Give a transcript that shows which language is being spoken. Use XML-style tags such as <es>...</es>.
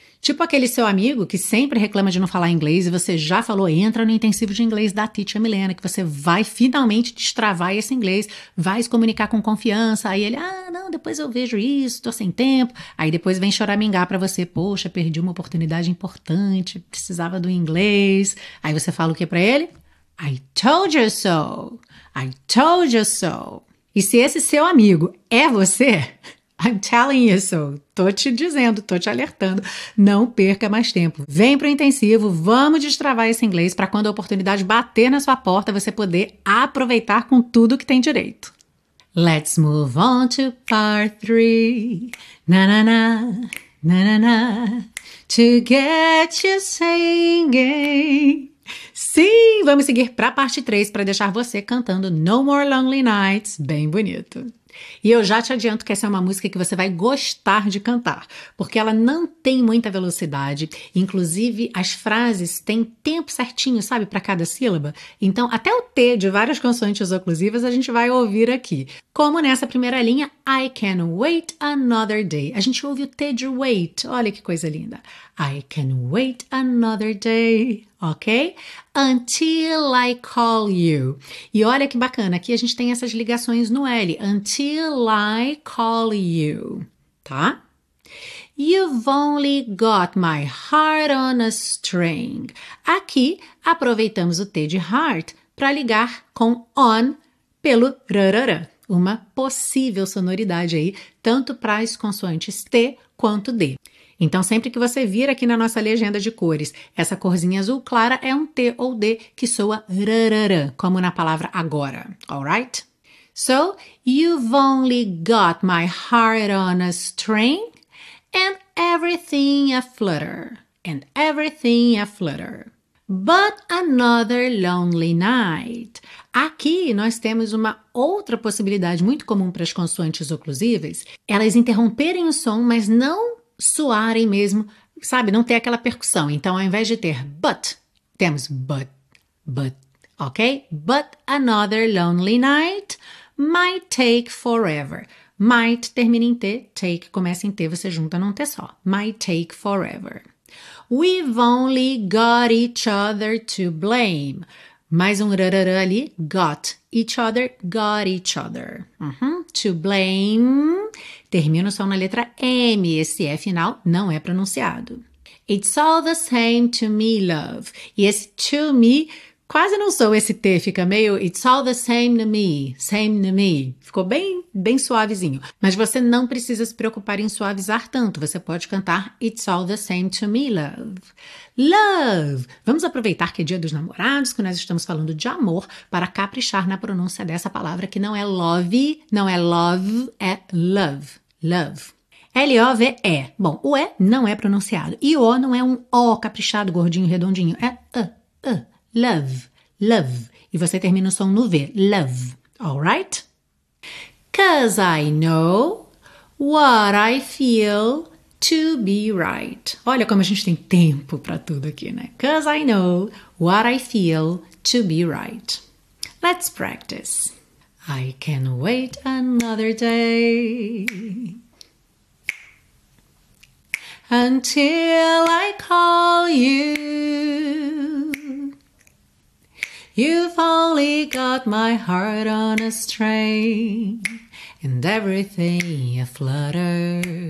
<pt>Tipo aquele seu amigo que sempre reclama de não falar inglês e você já falou, entra no intensivo de inglês da Teacher Milena, que você vai finalmente destravar esse inglês, vai se comunicar com confiança, aí ele, ah, não, depois eu vejo isso, tô sem tempo, aí depois vem choramingar pra você, poxa, perdi uma oportunidade importante, precisava do inglês, aí você fala o que pra ele?</pt> <en>I told you so, I told you so.</en> <pt>E se esse seu amigo é você...</pt> <en>I'm telling you so.</en> <pt>Tô te dizendo, tô te alertando. Não perca mais tempo. Vem pro intensivo, vamos destravar esse inglês para quando a oportunidade bater na sua porta, você poder aproveitar com tudo que tem direito.</pt> <en>Let's move on to part 3. Na na na, na na na. To get you singing.</en> <pt>Sim, vamos seguir pra parte 3 para deixar você cantando No More Lonely Nights, bem bonito. E eu já te adianto que essa é uma música que você vai gostar de cantar, porque ela não tem muita velocidade, inclusive as frases têm tempo certinho, sabe, para cada sílaba. Então, até o T de várias consoantes oclusivas a gente vai ouvir aqui. Como nessa primeira linha,</pt> <en>I can wait another day.</en> <pt>A gente ouve o T de wait, olha que coisa linda.</pt> <en>I can wait another day, ok? Until I call you.</en> <pt>E olha que bacana, aqui a gente tem essas ligações no L.</pt> <en>Until I call you, tá? You've only got my heart on a string.</en> <pt>Aqui, aproveitamos o T de heart para ligar com on pelo rarara. Uma possível sonoridade aí, tanto para as consoantes T quanto D. Então, sempre que você vir aqui na nossa legenda de cores, essa corzinha azul clara é um T ou D que soa rarara, como na palavra agora, alright?</pt> <en>So, you've only got my heart on a string and everything a flutter, and everything a flutter. But another lonely night.</en> <pt>Aqui nós temos uma outra possibilidade muito comum para as consoantes oclusivas, elas interromperem o som, mas não suarem mesmo, sabe, não ter aquela percussão. Então, ao invés de ter but, temos but, ok?</pt> <en>But another lonely night might take forever.</en> <pt>Might termina em T, take começa em T, você junta num T só.</pt> <en>Might take forever. We've only got each other to blame.</en> <pt>Mais um rarará ali,</pt> <en>got, each other, got each other.</en> <pt>Uhum.</pt> <en>To blame.</en> <pt>Termino só na letra M. Esse E final não é pronunciado.</pt> <en>It's all the same to me, love.</en> <pt>E esse to me, quase não sou esse T. Fica meio</pt> <en>it's all the same to me. Same to me.</en> <pt>Ficou bem, bem suavezinho. Mas você não precisa se preocupar em suavizar tanto. Você pode cantar</pt> <en>it's all the same to me, love. Love.</en> <pt>Vamos aproveitar que é dia dos namorados, que nós estamos falando de amor, para caprichar na pronúncia dessa palavra, que não é love, não é love, é love. Love. L-O-V-E. Bom, o E não é pronunciado. E o O não é um O caprichado, gordinho, redondinho. É love, love. E você termina o som no V. Love. Alright?</pt> <en>'Cause I know what I feel to be right.</en> <pt>Olha como a gente tem tempo pra tudo aqui, né?</pt> <en>'Cause I know what I feel to be right. Let's practice. I can wait another day. Until I call you, you've only got my heart on a string and everything a flutter.</en>